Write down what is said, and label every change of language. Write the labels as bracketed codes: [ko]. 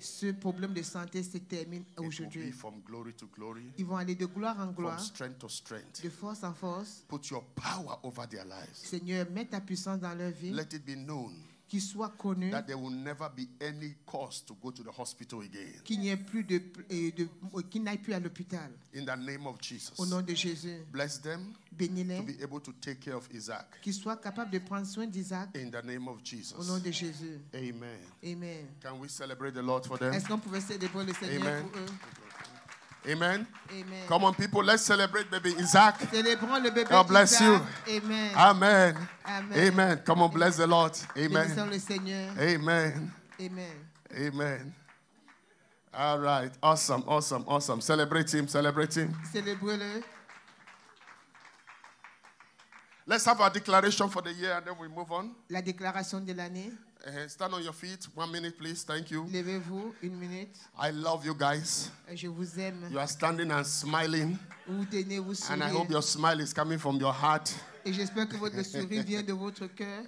[fr] Ce problème de santé se termine [en] It [fr] aujourd'hui. [en] Will be from glory to glory. [fr] Ils vont aller de gloire en gloire. [en] From strength to strength. [fr] De force en force. [en] Put your power over their lives. [fr] Seigneur, mets ta puissance dans leur vie. [en] Let it be known. [fr] Qu'il soit connu. [en] That there will never be any cause to go to the hospital again. [fr] Qu'il n'y ait plus qu'il n'aille plus à l'hôpital. [en] In the name of Jesus. [fr] Au nom de Jésus. [en] Bless them. [fr] Bénis-les. [en] To be able to take care of Isaac. [fr] Qu'il soit capable de prendre soin d'Isaac. [en] In the name of Jesus. [fr] Au nom de Jésus. [en] Amen. Amen. Can we celebrate the Lord for them? [fr] Est-ce qu'on pouvait célébrer le Seigneur [en] Amen. [fr] Pour eux? [en] Amen. Amen. Come on, people, let's celebrate baby Isaac. [fr] Célébrons le bébé [en] God [fr] Isaac. [en] Bless you. Amen. Amen. Amen. Amen. Come on, bless the Lord. Amen. [fr] Le Seigneur. [en] Amen. Amen. Amen. All right. Awesome. Awesome. Awesome. Celebrate him. Celebrate him. [fr] Célébrez-le. [en] Let's have our declaration for the year and then we move on. [fr] La déclaration de l'année. [en] Stand on your feet. 1 minute, please. Thank you. [fr] Levez-vous. 1 minute. [en] I love you guys. [fr] Je vous aime. [en] You are standing and smiling. [fr] Vous tenez, vous souriez. [en] And I hope your smile is coming from your heart. [fr] Et j'espère que votre sourire vient de votre cœur.